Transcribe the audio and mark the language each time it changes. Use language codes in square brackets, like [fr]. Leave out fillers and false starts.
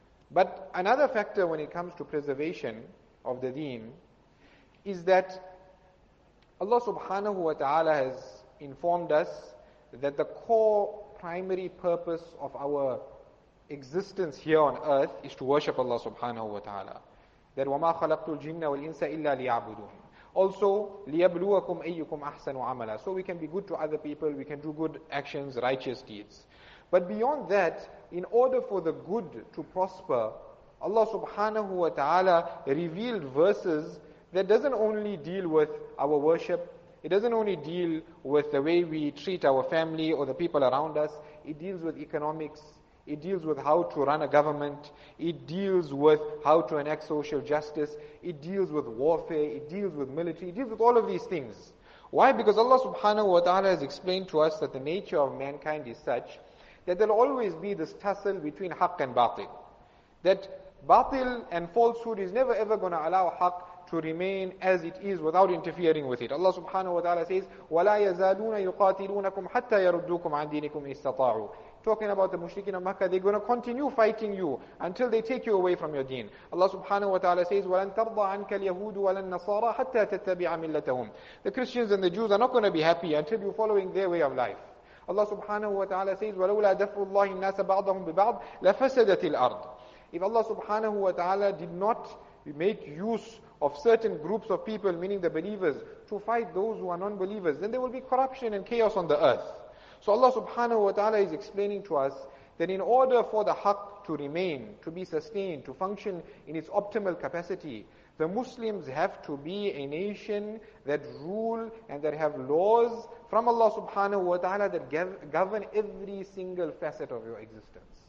[en] But another factor when it comes to preservation of the deen is that Allah subhanahu wa ta'ala has informed us that the core primary purpose of our existence here on earth is to worship Allah subhanahu wa ta'ala. [ar] That وَمَا خَلَقْتُ الْجِنَّ وَالْإِنسَ إِلَّا لِيَعْبُدُونَ. Also, لِيَبْلُوَكُمْ أَيُّكُمْ أَحْسَنُ عَمَلًا. [en] So we can be good to other people, we can do good actions, righteous deeds. But beyond that, in order for the good to prosper, Allah subhanahu wa ta'ala revealed verses that doesn't only deal with our worship, it doesn't only deal with the way we treat our family or the people around us, it deals with economics, it deals with how to run a government, it deals with how to enact social justice, it deals with warfare, it deals with military, it deals with all of these things. Why? Because Allah subhanahu wa ta'ala has explained to us that the nature of mankind is such that there will always be this tussle between haqq and batil. That batil and falsehood is never ever going to allow haqq to remain as it is without interfering with it. [ar] Allah subhanahu wa ta'ala says, وَلَا يَزَالُونَ يُقَاتِلُونَكُمْ حَتَّى يَرُدُّوكُمْ عَنْ دِينِكُمْ إِسْتَطَاعُوا. [en] Talking about the mushrikeen of Makkah, they're going to continue fighting you until they take you away from your deen. [ar] Allah subhanahu wa ta'ala says, وَلَنْ تَرْضَ عَنْكَ الْيَهُودُ وَلَنْ نَصَارَى حَتَّى تَتَّبِعَ مِلَّتَهُمْ. [en] The Christians and the Jews are not going to be happy until you're following their way of life. [ar] Allah subhanahu wa ta'ala says, وَلَوْلَا دَفْعُ اللَّهِ النَّاسَ بَعْضَهُمْ بِبَعْضٍ لَفَسَدَتِ الْأَرْضِ. [en] If Allah subhanahu wa ta'ala did not make use of certain groups of people, meaning the believers, to fight those who are non-believers, then there will be corruption and chaos on the earth. So Allah subhanahu wa ta'ala is explaining to us that in order for the haqq to to remain, to be sustained, to function in its optimal capacity, the Muslims have to be a nation that rule and that have laws from Allah subhanahu wa ta'ala that govern every single facet of your existence.